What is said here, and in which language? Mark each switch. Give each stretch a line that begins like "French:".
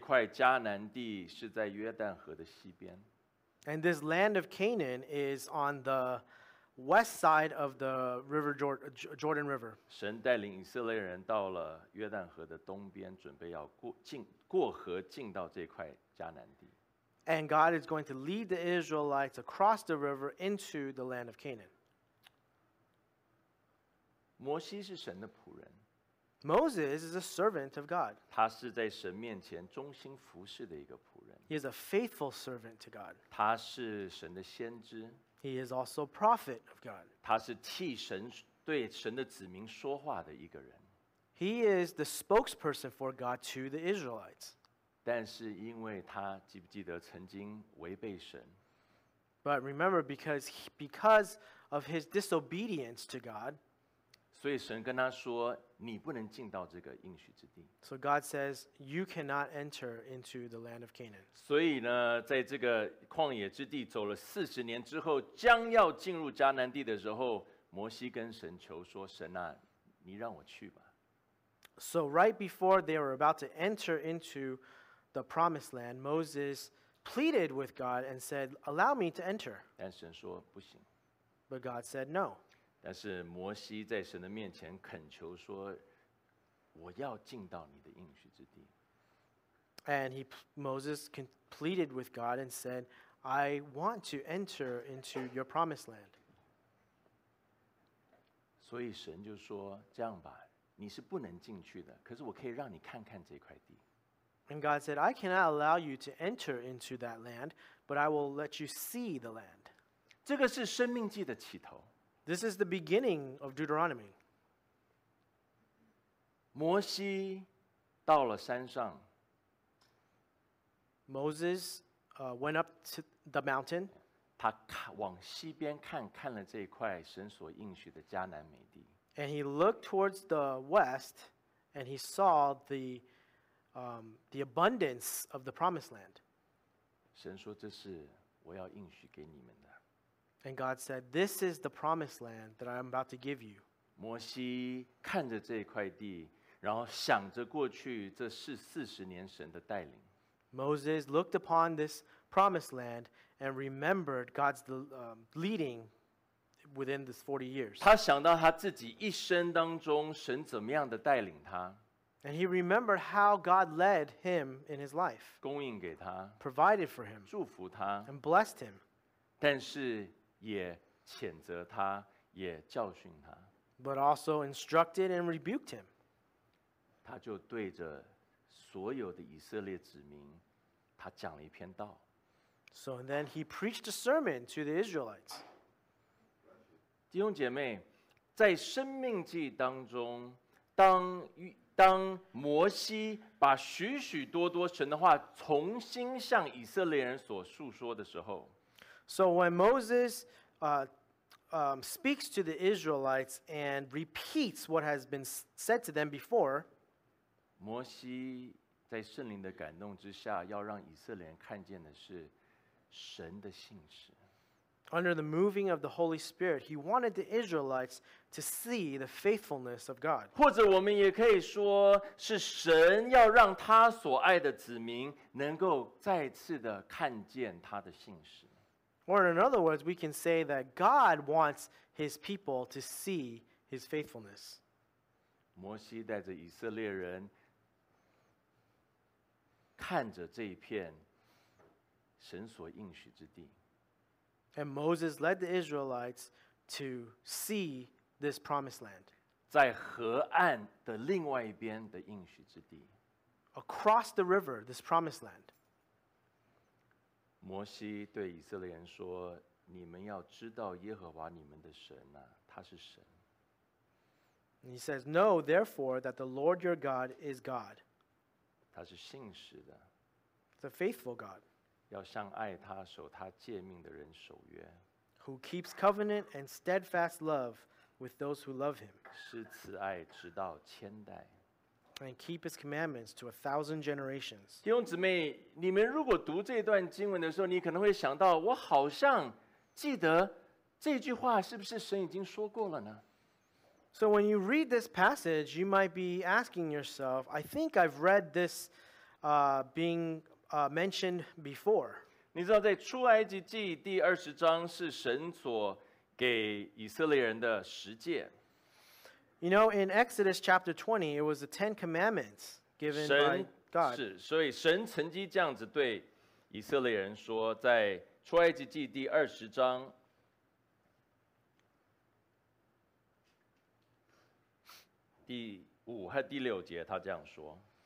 Chinese: 这块迦南地是在约旦河的西边。
English: And this land of Canaan is on the west side of the river Jordan River.
Chinese: 神带领以色列人到了约旦河的东边，准备要过河进到这块。
English: And God is going to lead the Israelites across the river into the land of Canaan.
Chinese: 摩西是神的仆人。
English: Moses is a servant of God.
Chinese: 他是在神面前忠心服侍的一个仆人。
English: He is a faithful servant to God.
Chinese: 他是神的先知。
English: He is also a prophet of God.
Chinese: 他是替神对神的子民说话的一个人。
English: He is the spokesperson for God to the Israelites.
Chinese: 但是因为他记不记得曾经违背神
English: ？But remember, because of his disobedience to God,
Chinese: 所以神跟他说，你不能进到这个应许之地。
English: So God says, you cannot enter into the land of Canaan.
Chinese: 所以呢，在这个旷野之地走了四十年之后，将要进入迦南地的时候，摩西跟神求说：“神啊，你让我去吧。
English: ”So right before they were about to enter into the promised land, Moses pleaded with God and said, allow me to enter.
Chinese: 但神说不行。
English: But God said no.
Chinese: 但是摩西在神的面前恳求说，我要进到你的应许之地。
English: And Moses pleaded with God and said, I want to enter into your promised land.
Chinese: 所以神就说，这样吧，你是不能进去的，可是我可以让你看看这块地。
English: And God said, I cannot allow you to enter into that land, but I will let you see the land.
Chinese: 这个是生命记的起头。
English: This is the beginning of Deuteronomy.
Chinese: 摩西到了山上。
English: Moses went up to the mountain.
Chinese: 他往西边看，看了这块神所应许的迦南美地。
English: And he looked towards the west, and he saw the abundance of the promised land.
Chinese: 神说这是我要应许给你们的。
English: And God said, "This is the promised land that I am about to give you."
Chinese: 摩西看着这块地，然后想着过去这是四十年神的带领。
English: Moses looked upon this promised land and remembered God's leading within this 40 years.
Chinese: 他想到他自己一生当中神怎么样的带领他。
English: And he remembered how God led him in his life.
Chinese: 供应给他。
English: Provided for him.
Chinese: 祝福他。
English: And blessed him.
Chinese: 但是也谴责他，也教训他。
English: But also instructed and rebuked him.
Chinese: 他就对着所有的以色列子民，他讲了一篇道。
English: So then he preached a sermon to the Israelites.
Chinese: 弟兄姐妹，在生命记当中，当摩西把许许多多神的话重新向以色列人所述说的时候
English: ，So when Moses speaks to the Israelites and repeats what has been said to them before.
Chinese: 摩西在圣灵的感动之下，要让以色列人看见的是神的信实。
English: Under the moving of the Holy Spirit, he wanted the Israelites to see the faithfulness of God.
Chinese: 或者我们也可以说，是神要让他所爱的子民能够再次的看见他的信实。
English: Or in other words, we can say that God wants his people to see his faithfulness.
Chinese: 摩西带着以色列人看着这一片神所应许之地。
English: And Moses led the Israelites to see this promised land.
Chinese: 在河岸的另外一边的应许之地。
English: Across the river, this promised land.
Chinese: 摩西对以色列人说，你们要知道耶和华你们的神啊，他是神。
English: And he says, know therefore that the Lord your God is God.
Chinese: 他是信实的。
English: The faithful God.
Chinese: 要向爱他、守他诫命的人守约。
English: Who keeps covenant and steadfast love with those who love him.
Chinese: 是慈爱直到千代。
English: And keep his commandments to 1,000 generations.
Chinese: 弟兄姊妹，你们如果读这段经文的时候，你可能会想到，我好像记得这句话是不是神已经说过了呢？
English: So when you read this passage, you might be asking yourself, I think I've read this being mentioned before.
Chinese: 你知道在出埃及记第二十章是神所给以色列人的十诫。
English: You know, in Exodus chapter 20, it was the Ten Commandments given by God.
Chinese: 是，所以神曾经这样子对以色列人说，在出埃及记第二十章第五和第六节，他这样说。